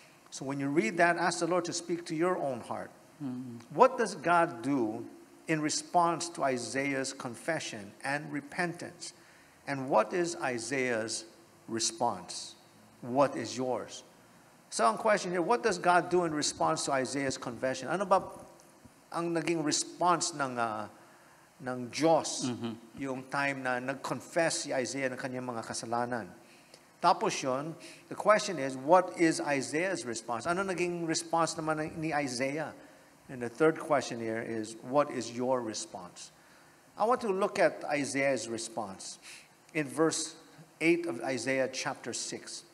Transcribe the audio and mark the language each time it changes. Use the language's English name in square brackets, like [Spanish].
[English] So when you read that, ask the Lord to speak to your own heart. Mm-hmm. What does God do in response to Isaiah's confession and repentance? And what is Isaiah's response? What is yours? So on question here, what does God do in response to Isaiah's confession? [Filipino] Ano ba ang naging response ng Diyos, mm-hmm. yung time na nag-confess si Isaiah ng kanyang mga kasalanan. Tapos yun, [English] the question is, what is Isaiah's response? [Filipino] Ano naging response naman ni Isaiah? [English] And the third question here is, what is your response? I want to look at Isaiah's response in verse 8 of Isaiah chapter 6.